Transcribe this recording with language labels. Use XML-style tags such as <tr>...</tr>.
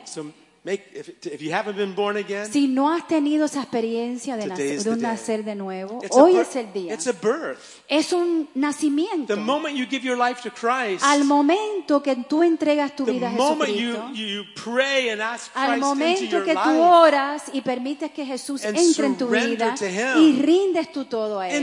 <en>So make if you haven't been born again,</en> <es>si no has tenido esa experiencia de nacer de nuevo, hoy es el día.</es> <en>It's a birth.</en> <es>Es un nacimiento.</es> <en>The moment you give your life to Christ,</en> <es>al momento que tú entregas tu vida a Jesucristo,</es> <en>the moment you pray and ask Christ into your life,</en> <es>al momento que tú oras y permites que Jesús entre en tu vida y rindes tú todo a Él,</es>